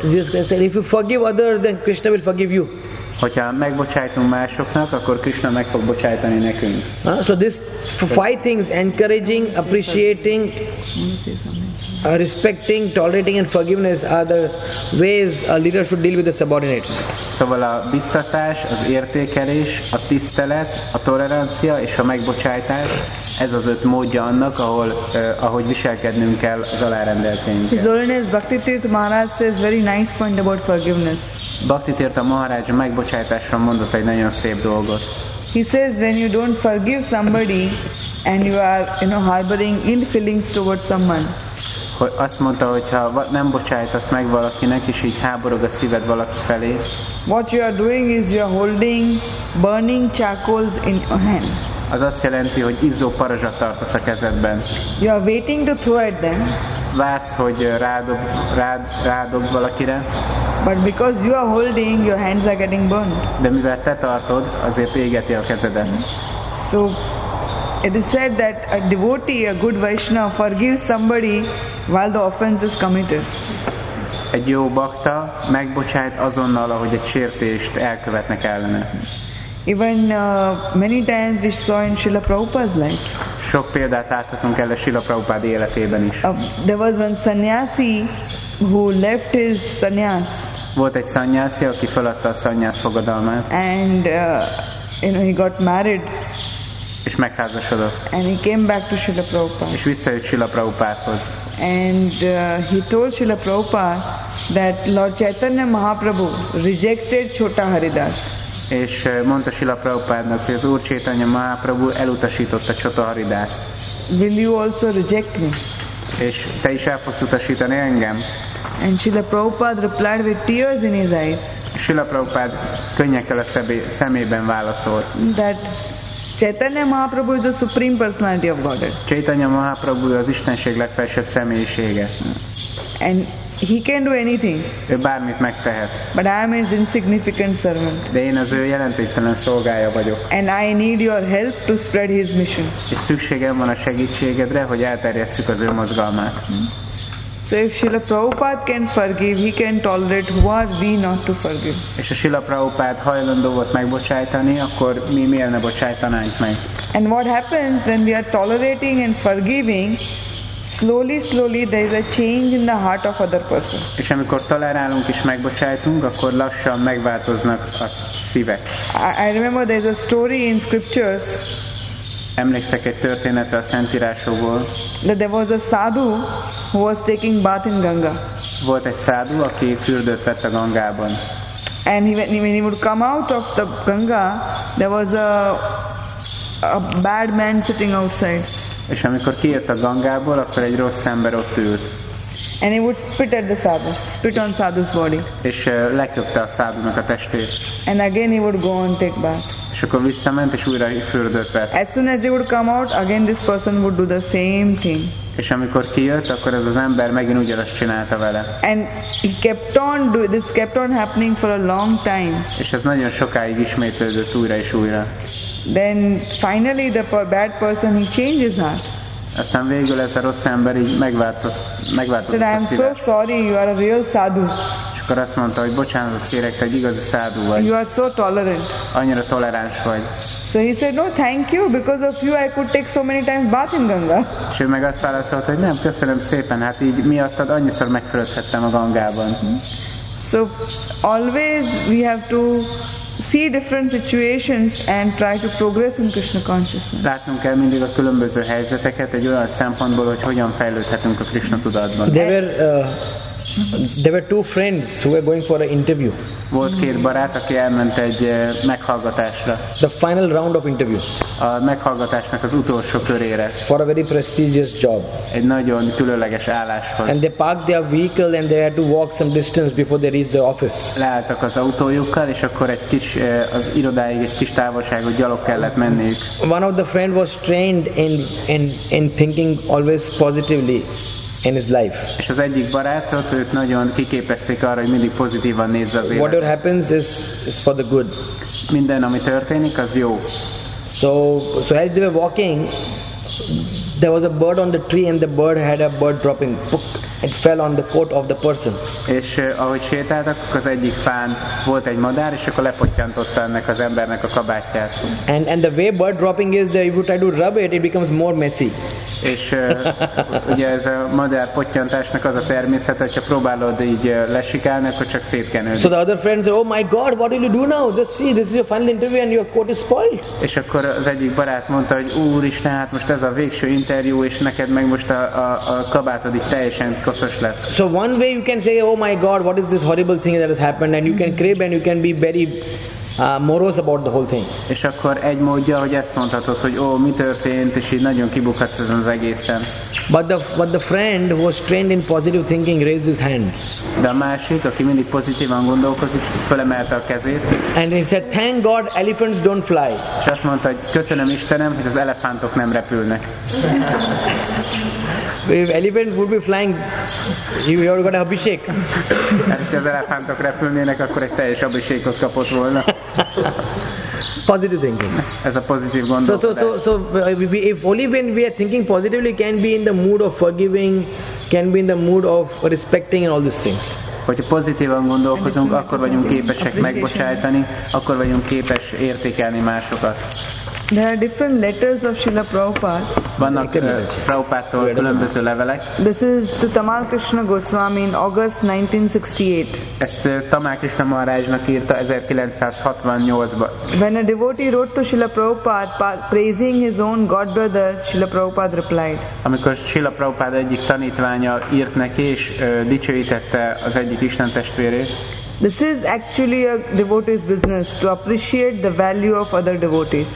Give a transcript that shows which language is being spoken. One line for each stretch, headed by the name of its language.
English: Jesus Christ said, if you forgive others, then Krishna will forgive you.
Hungarian: Hogyha megbocsájtunk másoknak, akkor Krishna meg fog bocsájtani nekünk.
English: So this five things: encouraging, appreciating. respecting, tolerating and forgiveness are the ways a leader should deal with the subordinates.
Hungarian: Szóval a biztatás, az értékelés, a tisztelet, a tolerancia és a megbocsájtás, ez az öt módja annak, ahol ahogy viselkednünk kell az alárendelteinkkel.
English: His Holiness Bhakti Tirtha Maharaj says very nice point about forgiveness.
Hungarian: Bhakti Tirtha Maharaj a megbocsátásra mondott egy nagyon szép dolgot.
English: He says when you don't forgive somebody and you are, you know, harboring ill feelings towards someone.
Hungarian: Hogy azt mondta, hogy ha nem bocsájtasz meg valakinek, és így háborog a szíved valaki felé.
English: What you are doing is you are holding burning charcoals in your hand.
Hungarian: Az azt jelenti, hogy izzó parazsat tartasz a kezedben.
English: You are waiting to throw at them.
Hungarian: Vársz, hogy rádob valakire.
English: But because you are holding, your hands are getting burned.
Hungarian: De mivel te tartod, azért égeti a kezedet.
English: So it is said that a devotee, a good Vaishnava, forgives somebody while the offense is committed.
Hungarian: Egy jó bhakta megbocsájt azonnal, ahogy egy sértést elkövetnek ellene.
English: Even many times we saw in Srila Prabhupada's life.
Hungarian: Sok példát láthatunk el a Srila Prabhupada életében is.
English: There was one sannyasi who left his sannyas.
Hungarian: Volt egy sannyasi, aki feladta a sannyas fogadalmát.
English: And you know, he got married.
Hungarian: És megházasodott.
English: And he came back to Srila Prabhupada.
Hungarian: És visszajött Srila Prabhupádhoz.
English: And he told Srila Prabhupada that Lord Chaitanya Mahaprabhu rejected Chota Haridas.
Hungarian: És mondta Srila Prabhupádnak, hogy az Úr Chaitanya Mahaprabhu elutasította Chota Haridást.
English: Will you also reject me?
Hungarian: És te is el fogsz utasítani engem?
English: And Srila Prabhupada replied with tears in his eyes.
Hungarian: Srila Prabhupada könnyekkel a szemében válaszolt.
English: That Chaitanya Mahaprabhu is the supreme personality of Godhead.
Hungarian: Chaitanya Mahaprabhu az Istenség legfelsőbb személyisége.
English: And he can do anything.
Hungarian: Ő bármit megtehet.
English: But I am his insignificant servant.
Hungarian: De én az ő jelentéktelen szolgája vagyok.
English: And I need your help to spread his mission.
Hungarian: És szükségem van a segítségedre, hogy elterjesszük az ő mozgalmát.
English: So if Srila Prabhupada can forgive, he can tolerate. Who are we not to forgive?
Hungarian: És ha Srila Prabhupada hajlandó volt megbocsájtani, akkor mi miért ne bocsájtanánk meg?
English: And what happens when we are tolerating and forgiving? Slowly, slowly there is a change in the heart of other person.
Hungarian: És amikor tolerálunk és megbocsájtunk, akkor lassan megváltoznak a szívek.
English: I remember there is a story in scriptures.
Hungarian: Emlékszek egy történetre a Szentírásokból.
English: That there was a sadhu who was taking bath in Ganga.
Hungarian: Volt egy sadhu, aki fürdőt vett a Gangában.
English: And when he would come out of the Ganga, there was a bad man sitting outside.
Hungarian: És amikor kijött a Gangából, akkor egy rossz ember ott ült.
English: And he would spit at the sadhu, spit on sadhu's body.
Hungarian: És leköpte a sadhunak a testét.
English: And again he would go and take bath.
Hungarian: És akkor visszament és újra fürdött be.
English: As soon as he would come out, again this person would do the same thing.
Hungarian: És amikor kijött, akkor ez az ember megint ugyanazt csinálta vele.
English: And he kept on doing this, kept on happening for a long time.
Hungarian: És ez nagyon sokáig ismétlődött újra és újra.
English: Then finally the bad person, he changes heart.
Hungarian: Aztán végül ez a rossz ember így megváltozott a szíve.
English: So sorry, you are a real sadhu.
Hungarian: És akkor azt mondta, hogy bocsánatot kérek, te egy igazi sadhu vagy.
English: You are so tolerant.
Hungarian: Annyira toleráns vagy.
English: So he said, no, thank you, because of you I could take so many times bath in Ganga.
Hungarian: És ő meg azt válaszolta, hogy nem, köszönöm szépen, hát így miattad annyiszor megfürödhettem a Gangában.
English: So always we have to see different situations and try to progress in Krishna consciousness.
Hungarian: Látnunk kell mindig a különböző helyzeteket egy olyan szempontból, hogy hogyan fejlődhetünk a Krishna tudatban.
English: There were two friends who were going for an interview.
Hungarian: Volt két barát, aki elment egy meghallgatásra.
English: The final round of interview.
Hungarian: A meghallgatásnak az utolsó körére.
English: For a very prestigious job.
Hungarian: Egy nagyon különleges álláshoz.
English: And they parked their vehicle and they had to walk some distance before they reached the office.
Hungarian: Leálltak az autójukkal, és akkor egy kis az irodáig egy kis távolságot gyalog kellett menniük.
English: One of the friend was trained in thinking always positively in his life.
Hungarian: És az egyik barátot, őt nagyon kiképezték arra, hogy mindig pozitívan nézze az életet.
English: Whatever happens is for the good.
Hungarian: Minden, ami történik, az jó.
English: So as they were walking, there was a bird on the tree and the bird had a bird dropping. Puk, it fell on the coat of the person.
Hungarian: És ahogy sétáltak, az egyik fán volt egy madár, és akkor lepottyantotta ennek az embernek a kabátját.
English: And the way bird dropping is, that if you try to rub it, it becomes more messy.
Hungarian: És ugye ez a madár pottyantásnak az a természet, hogyha próbálod így lesikálni, akkor csak szétkenődik.
English: So the other friends say, oh my god, what will you do now? Just see, this is your final interview and your coat is spoiled.
Hungarian: És akkor az egyik barát mondta, hogy úristen, hát most ez a végső interjú, és neked meg most a kabátod itt teljesen koszos lesz.
English: So one way you can say, oh my god, what is this horrible thing that has happened, and you can crib and you can be very morose about the whole thing.
Hungarian: És akkor egy módja, hogy ezt mondhatod, hogy ó, mi történt, és így nagyon kibukhatsz ezen az egészen.
English: But the friend who was trained in positive thinking raised his hand.
Hungarian: De a másik, aki mindig pozitívan gondolkozik, felemelte a kezét.
English: And he said, thank God elephants don't fly.
Hungarian: És azt mondta, hogy köszönöm Istenem, hogy az elefántok nem repülnek.
English: If elephants would be flying, you would have got an abhishek.
Hungarian: Hát, ha az elefántok repülnének, akkor egy teljes abhishekot kapott volna.
English: Positive thinking.
Hungarian: Ez a pozitív gondolkodás.
English: So, if only when we are thinking positively, can be in the mood of forgiving, can be in the mood of respecting and all these things.
Hungarian: Hogyha pozitívan gondolkozunk, akkor vagyunk képesek megbocsájtani, akkor vagyunk képes értékelni másokat.
English: There are different letters of Srila Prabhupada.
Hungarian: Vannak Prabhupádtól különböző levelek.
English: This is to Tamal Krishna Goswami in August 1968.
Hungarian: Ezt Tamal Krishna Maharajnak írta 1968-ban.
English: When a devotee wrote to Srila Prabhupada praising his own godbrother, Srila Prabhupada replied.
Hungarian: Amikor Srila Prabhupada egyik tanítványa írt neki és dicsőítette az egyik Isten testvérét.
English: This is actually a devotee's business to appreciate the value of other devotees.